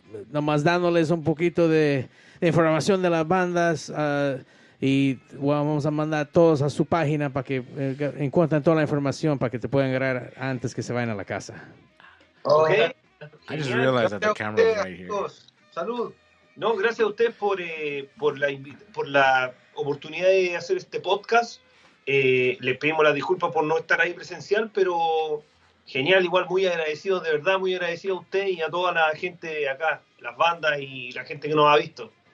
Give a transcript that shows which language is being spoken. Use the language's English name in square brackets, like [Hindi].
[Spanish] Nomás dándoles un poquito de información de las bandas. Vamos a mandar todos a su página para que encuentren toda la información para que te puedan agarrar antes que se vayan a la casa. [English] Okay. I just realized that the camera is right here. [Spanish] Salud. No, gracias a usted por la oportunidad de hacer este podcast. Le pedimos la disculpa por no estar ahí presencial, pero genial, igual muy agradecido, de verdad muy agradecido a usted y a toda la gente acá, las bandas y la gente que nos ha visto.